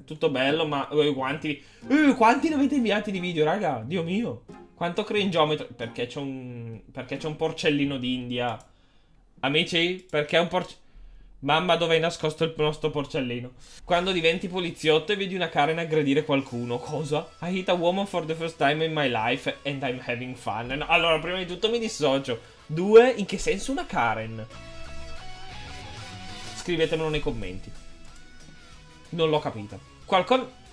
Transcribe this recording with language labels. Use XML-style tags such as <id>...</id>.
<it>Tutto bello, ma quanti... quanti ne avete inviati di video, raga? Dio mio. Quanto cringeometro... Perché c'è un... Perché c'è un porcellino d'India? Amici, perché è un porcellino... Mamma, dove hai nascosto il nostro porcellino? Quando diventi poliziotto e vedi una Karen aggredire qualcuno. Cosa?</it> <en>I hit a woman for the first time in my life and I'm having fun.</en> <it>No, allora, prima di tutto mi dissocio. Due, in che senso una Karen? Scrivetemelo nei commenti. Non l'ho capita. Qualcuno...</it>